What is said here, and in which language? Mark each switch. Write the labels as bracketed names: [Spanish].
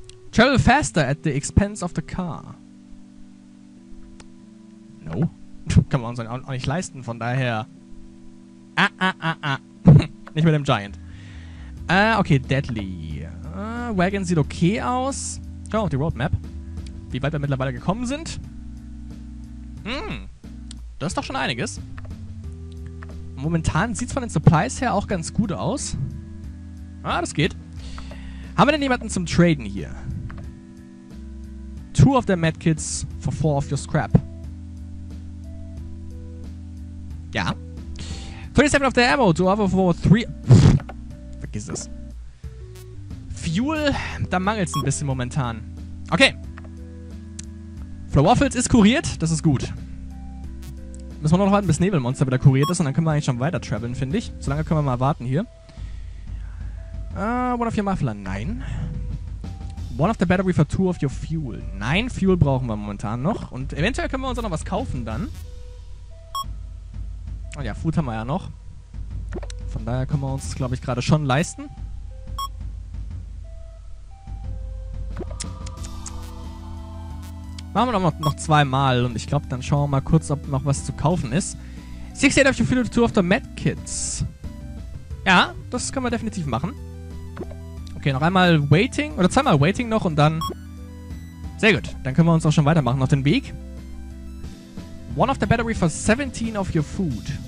[English] Travel faster at the expense of the car. No. [German] Kann man uns auch nicht leisten, von daher. Nicht mit dem Giant. Okay, deadly. Wagon sieht okay aus. Schau auf die Roadmap. Wie weit wir mittlerweile gekommen sind. Das ist doch schon einiges. Momentan sieht es von den Supplies her auch ganz gut aus. Ah, das geht. Haben wir denn jemanden zum Traden hier? [English] 2 of the medkits for 4 of your scrap. [German] Ja. [English] 37 of the ammo to offer for 3. [German] Vergiss es. Fuel, da mangelt es ein bisschen momentan. Okay. Flo Waffles ist kuriert, das ist gut. Müssen wir noch warten, bis Nebelmonster wieder kuriert ist und dann können wir eigentlich schon weiter traveln, finde ich. Solange können wir mal warten hier. [English] One of your muffler, [German] nein. [English] One of the battery for 2 of your fuel. [German] Nein, Fuel brauchen wir momentan noch. Und eventuell können wir uns auch noch was kaufen dann. Ja, Food haben wir ja noch. Von daher können wir uns, glaube ich, gerade schon leisten. Machen wir doch noch zweimal und ich glaube, dann schauen wir mal kurz, ob noch was zu kaufen ist. [English] 68 of the Field of 2 of the Medkits. [German] Ja, das können wir definitiv machen. Okay, noch einmal Waiting oder zweimal Waiting noch und dann. Sehr gut, dann können wir uns auch schon weitermachen auf den Weg. [English] One of the battery for 17 of your food.